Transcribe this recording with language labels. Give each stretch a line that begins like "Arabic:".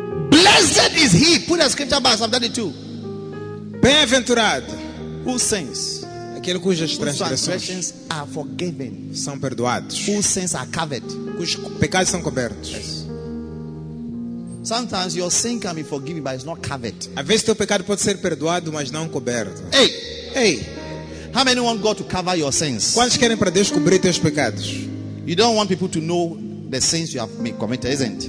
English: Blessed is he. Put a scripture back. Psalm 32.
Portuguese: Bem-aventurado.
English: Who sins?
Portuguese: Aquele cujas transgressões
English: are forgiven,
Portuguese: são perdoados.
English: Whose sins are covered,
Portuguese: cujos pecados são cobertos.
English: Yes. Sometimes your sin can be forgiven, but it's not covered.
Portuguese: Às vezes teu pecado pode ser perdoado, mas não coberto. Hey, hey,
English: how many want God to cover your sins?
Portuguese: Quantos querem para Deus cobrir teus pecados?
English: You don't want people to know the sins you have committed, isn't?